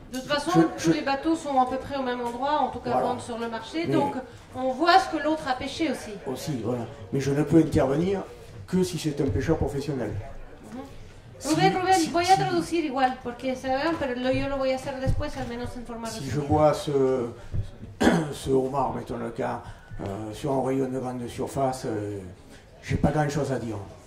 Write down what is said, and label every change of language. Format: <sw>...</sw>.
<fr>De toute façon, tous les bateaux sont à peu près au même endroit, en tout cas voilà. Vendent sur le marché, mais donc on voit ce que l'autre a pêché aussi. Aussi, voilà. Mais je ne peux intervenir que si c'est un pêcheur professionnel.</fr> <es>Rubén, voy a traducir igual, porque saben, pero yo lo voy a hacer después, al menos en forma...</es> <fr>Si je vois ce homard, mettons le cas, sur un rayon de grande surface, je n'ai pas grand-chose à dire.</fr>